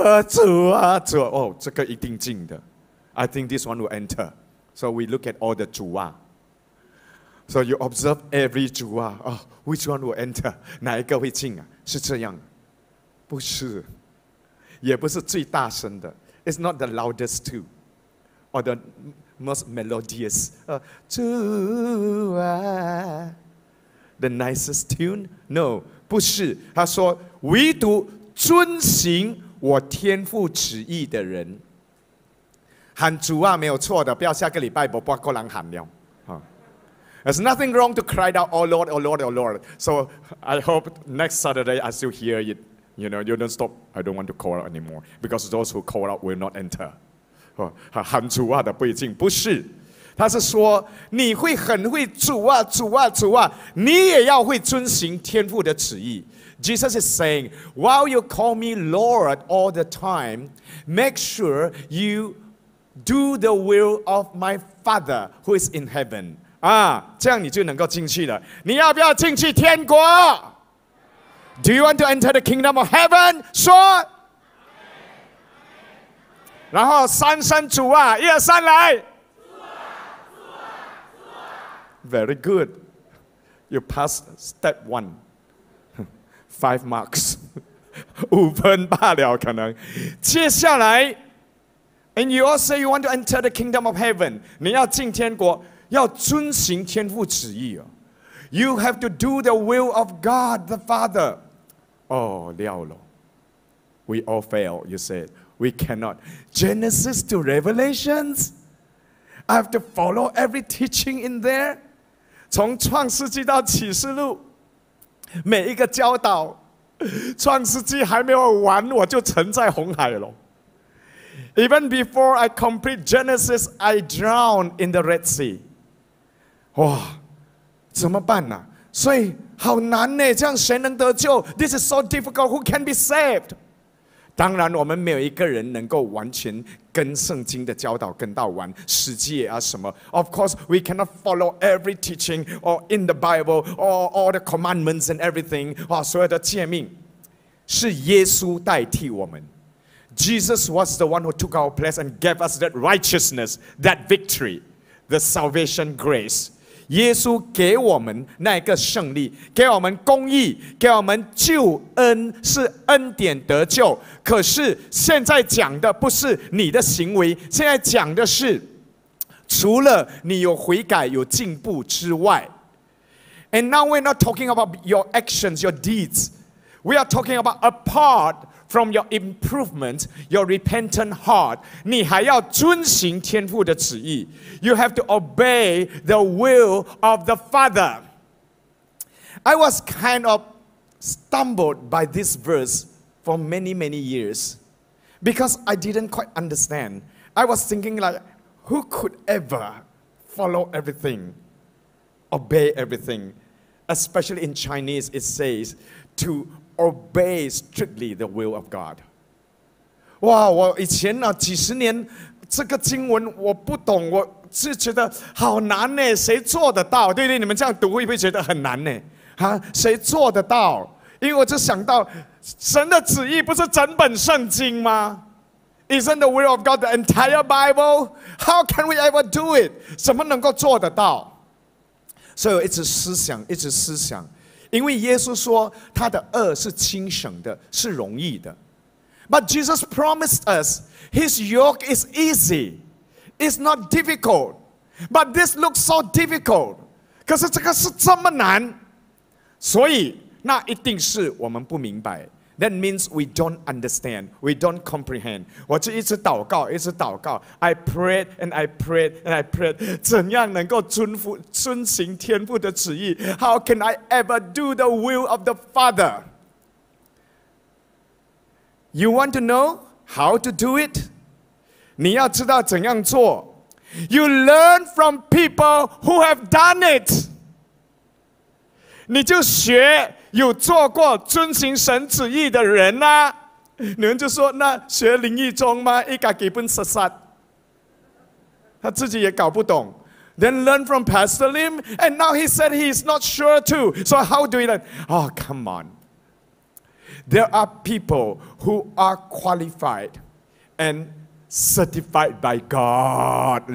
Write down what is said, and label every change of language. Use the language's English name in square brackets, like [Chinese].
[Chinese] 主啊，主啊，哦，这个一定进的。 [English] I think this one will enter. So we look at all the [Chinese] 主啊。 [English] So you observe every [Chinese] 主啊、 [English] oh, which one will enter? [Chinese] 哪一个会进啊？是这样，不是，也不是最大声的。 [English] It's not the loudest too, or the most melodious. [Chinese] 主啊 [English] ，the nicest tune? No, [Chinese] 不是。他说，唯独遵行我天父旨意的人。喊主啊没有错的，不要下个礼拜不把个人喊了。 [English] There's nothing wrong to cry out, Oh Lord, Oh Lord, Oh Lord. So I hope next Saturday I still hear it. You know, you don't stop. I don't want to call out anymore. Because those who call out will not enter. [Chinese] 喊主啊的不一定，不是。他是说，你会很会主啊，主啊，主啊，你也要会遵行天父的旨意。 [English] Jesus is saying, while you call me Lord all the time, make sure you... Do the will of my Father who is in heaven. [Chinese] 啊，这样你就能够进去了。你要不要进去天国？ [English] Do you want to enter the kingdom of heaven? [Chinese] 说。然后三声主啊，一二三来。主啊，主啊，主啊。 [English] Very good. You pass step one. Five marks. [Chinese] 五分罢了，可能。接下来。 [English] And you also you want to enter the kingdom of heaven. [Chinese] 你要进天国，要遵行天父旨意啊。 [English] You have to do the will of God the Father. Oh, 了了。We all fail, you said. We cannot. Genesis to Revelations. I have to follow every teaching in there. [Chinese] 从创世纪到启示录，每一个教导，创世纪还没有完，我就沉在红海了。 [English] Even before I complete Genesis, I drown in the Red Sea. [Chinese] 哇，怎么办呢？所以好难呢，这样谁能得救？ [English] This is so difficult. Who can be saved? [Chinese] 当然，我们没有一个人能够完全跟圣经的教导跟到完，实际啊什么。 [English] Of course, we cannot follow every teaching or in the Bible or all the commandments and everything. [Chinese] 哇，所有的诫命是耶稣代替我们。 [English] Jesus was the one who took our place and gave us that righteousness, that victory, the salvation grace. [Chinese] 耶稣给我们那个胜利，给我们公义，给我们救恩，是恩典得救。可是现在讲的不是你的行为，现在讲的是除了你有悔改有进步之外。 [English] And now we're not talking about your actions, your deeds. We are talking about apart from your improvement, your repentant heart. [Chinese] 你还要遵行天父的旨意。 [English] You have to obey the will of the Father. I was kind of stumbled by this verse for many, many years because I didn't quite understand. I was thinking like,Who could ever follow everything, obey everything? Especially in Chinese, it says to obey strictly the will of God. [Chinese] Wow, 我以前呢几十年这个经文我不懂，我是觉得好难呢，谁做得到？对不对？你们这样读会不会觉得很难呢？啊，谁做得到？因为我就想到神的旨意不是整本圣经吗？ [English] Isn't the will of God the entire Bible? How can we ever do it? [Chinese] 怎么能够做得到？所以我一直思想，一直思想。因为耶稣说他的轭是轻省的，是容易的。 [English] But Jesus promised us his yoke is easy. It's not difficult. But this looks so difficult. [Chinese] 可是这个是这么难。所以那一定是我们不明白。 [English] That means we don't understand. We don't comprehend. [Chinese] 我就一直祷告，一直祷告。 [English] I prayed and I prayed and I prayed. [Chinese] 怎样能够遵行天父的旨意？ [English] How can I ever do the will of the Father? You want to know how to do it? [Chinese] 你要知道怎样做？ [English] You learn from people who have done it. [Chinese] 你就学有做过遵行神旨意的人啊，你们就说那学林义忠吗？一家基本失散，他自己也搞不懂。 [English] Then learn from Pastor Lim, and now he said he is not sure too. So how do we learn? Oh, come on. There are people who are qualified and certified by God.